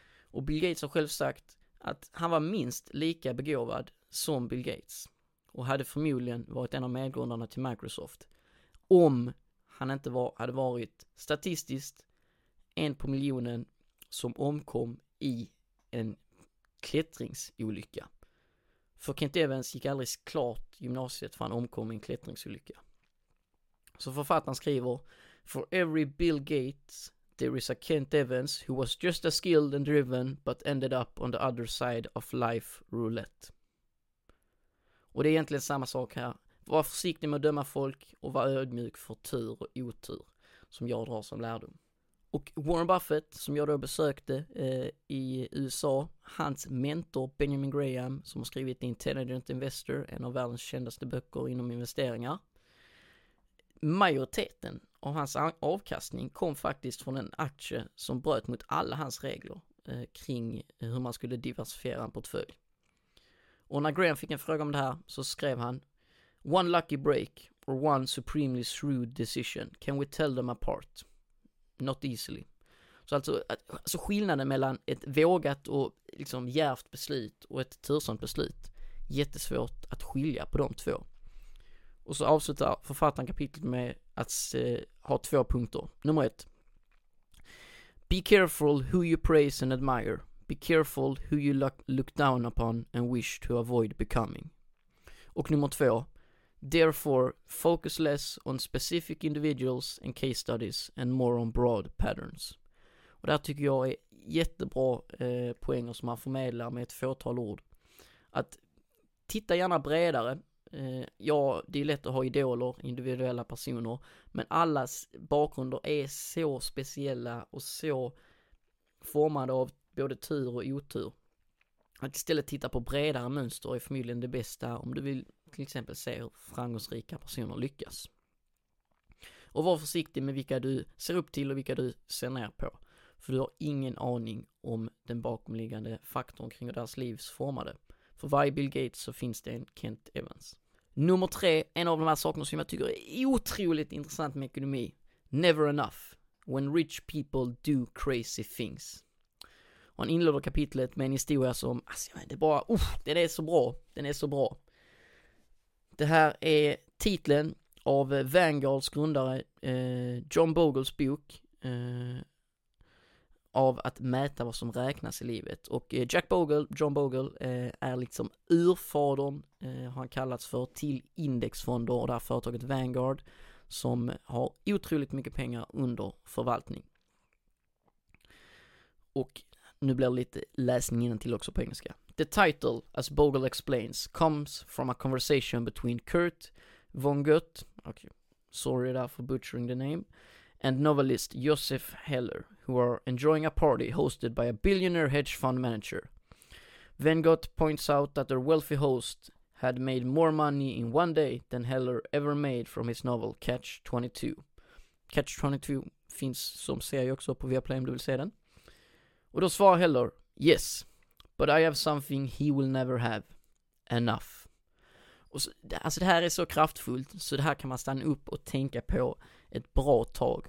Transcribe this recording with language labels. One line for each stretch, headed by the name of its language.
Swedish: Och Bill Gates har själv sagt att han var minst lika begåvad som Bill Gates och hade förmodligen varit en av medgrundarna till Microsoft om han inte hade varit statistiskt en på miljonen som omkom i en klättringsolycka. För Kent Evans gick aldrig klart gymnasiet för han omkom i en klättringsolycka. Så författaren skriver:
English: "For every Bill Gates, there is a Kent Evans who was just as skilled and driven but ended up on the other side of life roulette."
Swedish: Och det är egentligen samma sak här. Var försiktig med att döma folk och var ödmjuk för tur och otur, som jag drar som lärdom. Och Warren Buffett, som jag då besökte i USA, hans mentor Benjamin Graham, som har skrivit Intelligent Investor, en av världens kändaste böcker inom investeringar. Majoriteten av hans avkastning kom faktiskt från en aktie som bröt mot alla hans regler kring hur man skulle diversifiera en portfölj. Och när Graham fick en fråga om det här så skrev han:
English: "One lucky break or one supremely shrewd decision. Can we tell them apart? Not easily."
Swedish: Så alltså skillnaden mellan ett vågat och liksom djärvt beslut och ett tursamt beslut. Jättesvårt att skilja på de två. Och så avslutar författaren kapitlet med att ha 2 punkter. Nummer 1.
English: Be careful who you praise and admire. Be careful who you look down upon and wish to avoid becoming.
Swedish: Och nummer 2.
English: Therefore, focus less on specific individuals and case studies and more on broad patterns.
Swedish: Och det här tycker jag är jättebra poänger som man förmedlar med ett fåtal ord. Att titta gärna bredare. Ja, det är lätt att ha idoler, individuella personer. Men allas bakgrunder är så speciella och så formade av både tur och otur. Att istället titta på bredare mönster är förmodligen det bästa om du vill till exempel se hur framgångsrika personer lyckas. Och var försiktig med vilka du ser upp till och vilka du ser ner på. För du har ingen aning om den bakomliggande faktorn kring deras livs formade. För varje Bill Gates så finns det en Kent Evans. Nummer 3, en av de här sakerna som jag tycker är otroligt intressant med ekonomi.
English: Never enough when rich people do crazy things.
Swedish: Han inleder kapitlet med en historia som, alltså, det är bara, den är så bra. Den är så bra. Det här är titeln av Vanguards grundare John Bogles bok av att mäta vad som räknas i livet. Och Jack Bogle, John Bogle, är liksom urfadern, har kallats för, till indexfonder och det här företaget Vanguard, som har otroligt mycket pengar under förvaltning. Och nu blir lite läsning innantill också på engelska.
English: The title, as Bogle explains, comes from a conversation between Kurt Vonnegut, okay, sorry there for butchering the name, and novelist Joseph Heller, who are enjoying a party hosted by a billionaire hedge fund manager. Vonnegut points out that their wealthy host had made more money in one day than Heller ever made from his novel Catch 22.
Swedish: Catch 22 finns som serie också på Viaplay om du vill se den. Och då svarar Heller,
English: yes, but I have something he will never have. Enough.
Swedish: Och så, alltså det här är så kraftfullt, så det här kan man stanna upp och tänka på ett bra tag.